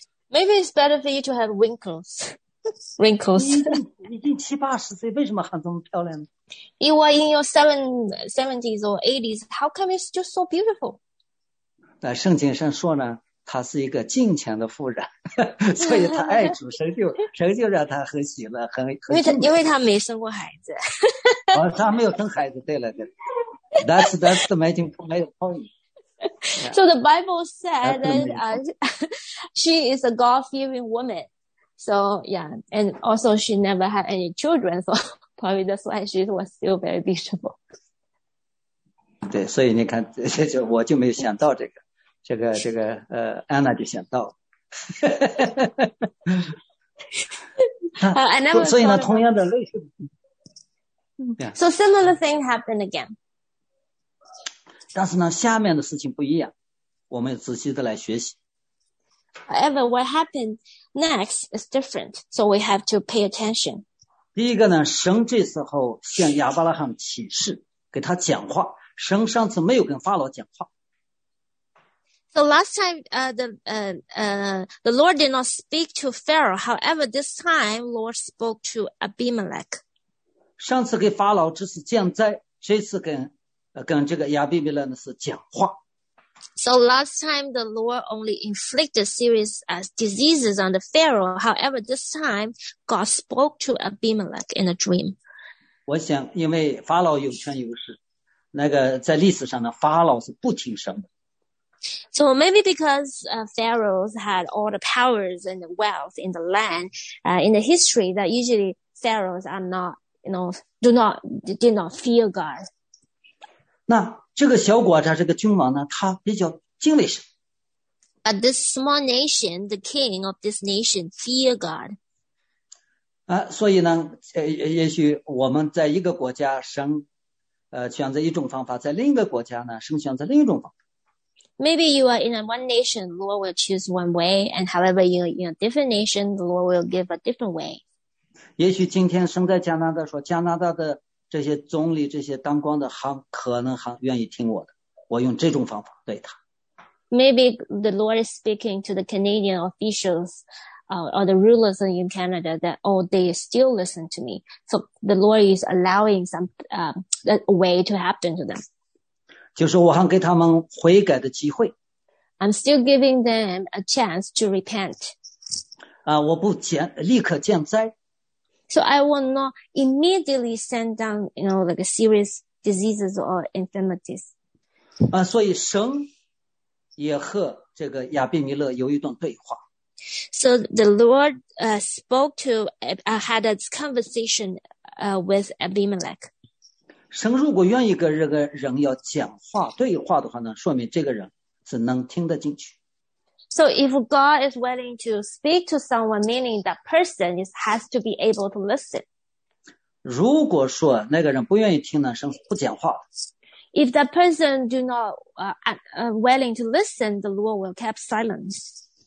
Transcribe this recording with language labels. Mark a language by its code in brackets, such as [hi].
[en] Maybe it's better for you to have wrinkles. Wrinkles. You are in your 70s or 80s, how come you're still so beautiful? [zh] 在圣经上说呢他是一个敬虔的妇人所以他爱主神就让他很喜乐很因为他没生过孩子、哦、他没有生孩子对了对了 [en] that's the amazing point、yeah. So the Bible said that she is a God-fearing woman so yeah and also she never had any children so probably that's why she was still very beautiful [zh] 对所以你看我就没有想到这个这个安娜就想到 [en] 了。I never [zh] 所以呢同样的类似。 [en] So similar thing happened again. [zh] 但是呢下面的事情不一样我们仔细的来学习。 [en] However, what happened next is different, so we have to pay attention. [zh] 第一个呢神这时候向亚伯拉罕启示给他讲话神上次没有跟法老讲话。 [en] So last time, the Lord did not speak to Pharaoh. However, this time, Lord spoke to Abimelech. [zh] 上次给法老只是降灾，这次跟这个亚比米勒呢是讲话。 [en] So last time, the Lord only inflicted serious diseases on the Pharaoh. However, this time, God spoke to Abimelech in a dream. [zh] 我想，因为法老有权有势，那个在历史上呢，法老是不听神的。 [en] So maybe because pharaohs had all the powers and the wealth in the land, in the history, that usually pharaohs are not, you know, did not fear God. [zh] 那这个小国家这个君王呢，他比较敬畏神。 [en] But this small nation, the king of this nation, fear God. [zh] 啊，所以呢，也许我们在一个国家生，选择一种方法，在另一个国家呢，生选择另一种方法。 [en] Maybe you are in one nation, the Lord will choose one way, and however you are in a different nation, the Lord will give a different way. [zh] 也许今天生在加拿大说，加拿大的这些总理、这些当官的还可能还愿意听我的，我用这种方法对他。 [en] Maybe the Lord is speaking to the Canadian officials, or the rulers in Canada that, oh, they still listen to me. So the Lord is allowing some, a way to happen to them. [zh] 就是我还给他们悔改的机会。 [en] I'm still giving them a chance to repent. [zh] 啊，我不见立刻降灾。 [en] So I will not immediately send down, you know, like serious diseases or infirmities. [zh] 啊，所以神也和这个亚比米勒有一段对话。 [en] So the Lord spoke to had a conversation with Abimelech. [zh] 神如果愿意跟这个人要讲话对话的话呢，说明这个人是能听得进去。 [en] So if God is willing to speak to someone, meaning that person is, has to be able to listen. [zh] 如果说那个人不愿意听呢，神不讲话。 [en] If that person do not willing to listen, the Lord will keep silence.